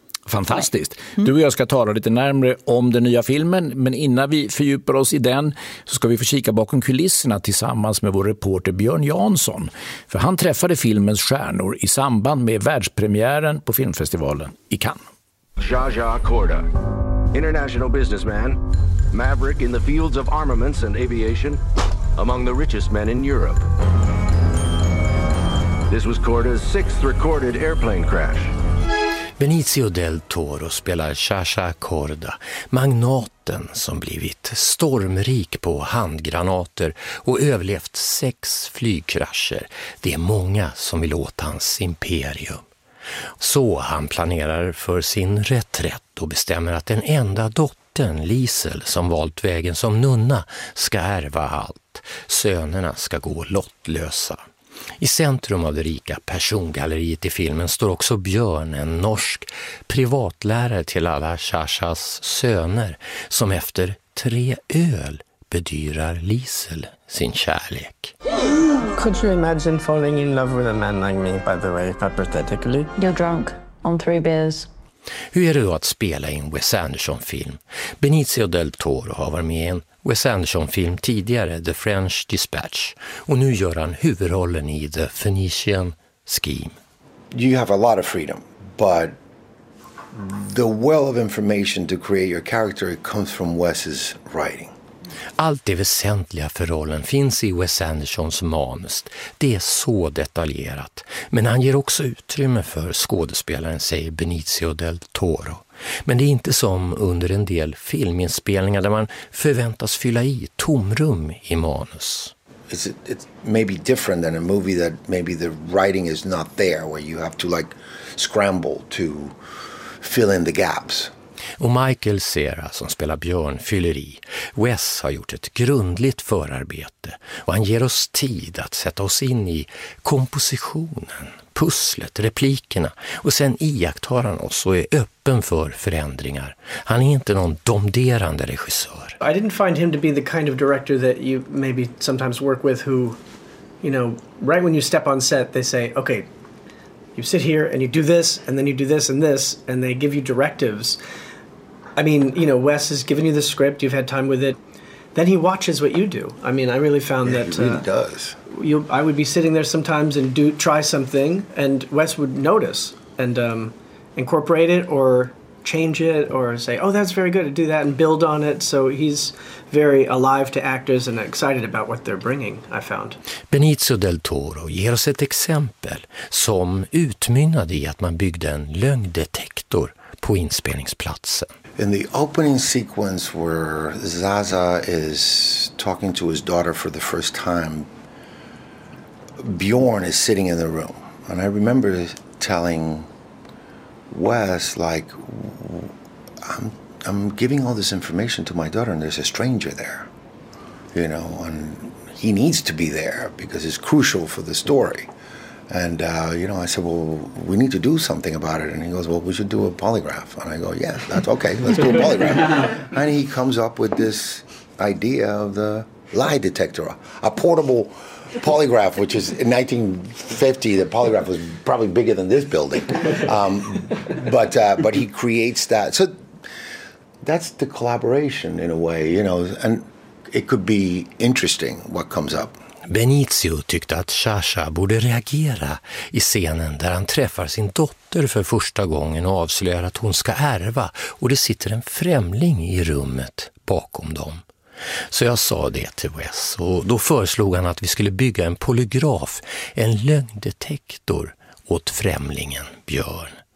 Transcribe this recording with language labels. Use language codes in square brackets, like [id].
[sv] Fantastiskt. Du och jag ska tala lite närmare om den nya filmen, men innan vi fördjupar oss i den så ska vi få kika bakom kulisserna tillsammans med vår reporter Björn Jansson. För han träffade filmens stjärnor i samband med världspremiären på filmfestivalen i Cannes. [en] Zsa Zsa Korda, international businessman, maverick in the fields of armaments and aviation, among the richest men in Europe. This was Korda's sixth recorded airplane crash. [sv] Benicio del Toro spelar Zsa Zsa Korda, magnaten som blivit stormrik på handgranater och överlevt 6 flygkrascher. Det är många som vill åt hans imperium. Så han planerar för sin reträtt och bestämmer att den enda dottern, Liesel, som valt vägen som nunna, ska ärva allt. Sönerna ska gå lottlösa. I centrum av det rika persongalleriet i filmen står också Björn, en norsk privatlärare till alla Shashas söner, som efter 3 öl bedyrar Liesel sin kärlek. [en] Could you imagine falling in love with a man like me, by the way, hypothetically? You're drunk on 3 beers. [sv] Hur är det då att spela i en Wes Anderson-film? Benicio del Toro har varit med i en Wes Anderson-film tidigare, The French Dispatch. Och nu gör han huvudrollen i The Phoenician Scheme. [en] You have a lot of freedom, but the well of information to create your character comes from Wes's writing. [sv] Allt det väsentliga för rollen finns i Wes Andersons manus. Det är så detaljerat. Men han ger också utrymme för skådespelaren, säger Benicio del Toro. Men det är inte som under en del filminspelningar där man förväntas fylla i tomrum i manus. [en] It's maybe different than a movie that maybe the writing is not there, where you have to like scramble to fill in the gaps. [sv] Och Michael Cera, som spelar Björn, fyller i. Wes har gjort ett grundligt förarbete och han ger oss tid att sätta oss in i kompositionen, pusslet, replikerna. Och sen iakttar han oss och är öppen för förändringar. Han är inte någon domderande regissör. [en] I didn't find him to be the kind of director that you maybe sometimes work with who, you know, right when you step on set they say, okay, you sit here and you do this and then you do this and this and they give you directives. I mean, you know, Wes has given you the script, you've had time with it. then he watches what you do. I mean, I really found he really does. I would be sitting there sometimes and try something, and Wes would notice and incorporate it or change it or say, oh, that's very good, do that and build on it. So he's very alive to actors and excited about what they're bringing, I found. [sv] Benicio del Toro ger oss ett exempel som utmynnade i att man byggde en lögndetektor på inspelningsplatsen. [en] In the opening sequence where Zaza is talking to his daughter for the first time, Bjorn is sitting in the room. And I remember telling Wes, like, I'm giving all this information to my daughter and there's a stranger there, you know, and he needs to be there because it's crucial for the story. And, you know, I said, well, we need to do something about it. And he goes, well, we should do a polygraph. And I go, yeah, that's okay. Let's do a polygraph. And he comes up with this idea of the lie detector, a portable polygraph, which is in 1950, the polygraph was probably bigger than this building. But he creates that. So that's the collaboration in a way, you know, and it could be interesting what comes up. [sv] Benicio tyckte att Sasha borde reagera i scenen där han träffar sin dotter för första gången och avslöjar att hon ska ärva och det sitter en främling i rummet bakom dem. Så jag sa det till Wes och då föreslog han att vi skulle bygga en polygraf, en lögndetektor åt främlingen Björn.